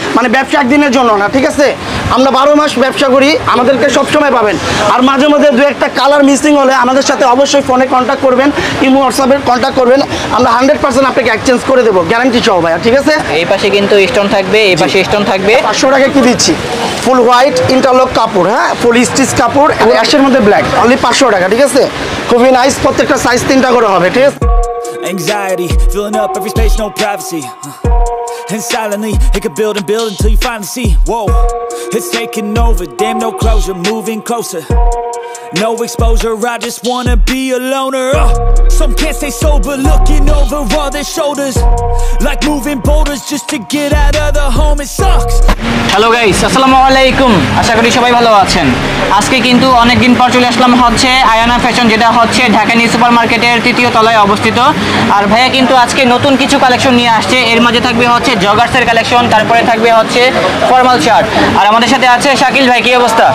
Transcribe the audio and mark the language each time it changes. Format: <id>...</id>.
<bn>মানে ব্যবসা একদিনের জন্য না ঠিক আছে আমরা 12 মাস ব্যবসা করি আমাদেরকে সব সময় পাবেন আর মাঝে মাঝে দুই একটা কালার মিসিং হলে আমাদের সাথে অবশ্যই ফোনে কন্টাক্ট করবেন কি WhatsApp এ কন্টাক্ট করবেন আমরা 100% আপনাকে এক্সচেঞ্জ করে দেব গ্যারান্টি সহ ভাই ঠিক আছে এই পাশে কিন্তু স্টোন থাকবে এই পাশে স্টোন থাকবে 500 টাকা কি দিচ্ছি ফুল হোয়াইট ইন্টারলক কাপড় হ্যাঁ ফুল স্টিচ কাপড় এন্ড অ্যাশের মধ্যে ব্ল্যাক অনলি 500 টাকা ঠিক আছে খুবই নাইস প্রত্যেকটা সাইজ তিনটা করে হবে ঠিক আছে</bn> <en>Anxiety, filling up every space, no privacy. And silently, it could build and build until you finally see. Whoa, it's taking over, damn no closure, moving closer. No exposure, I just wanna be a loner. Some can't stay sober, looking over all their shoulders. Like moving boulders just to get out of the home, it sucks. Hello guys,</en> <bn>Assalamualaikum. Asha kori shobai bhalo achen. আজকে কিন্তু অনেক দিন পর চলে আসলাম হচ্ছে Ayana fashion যেটা হচ্ছে Dhaka new সুপারমার্কেটের তৃতীয় তলায় অবস্থিত আর ভাইয়া কিন্তু আজকে নতুন কিছু কালেকশন নিয়ে আসছে এর মধ্যে থাকবে হচ্ছে জগার্সের কালেকশন তারপরে থাকবে হচ্ছে ফর্মাল শার্ট আর আমাদের সাথে আছে শাকিল ভাই কি অবস্থা</bn>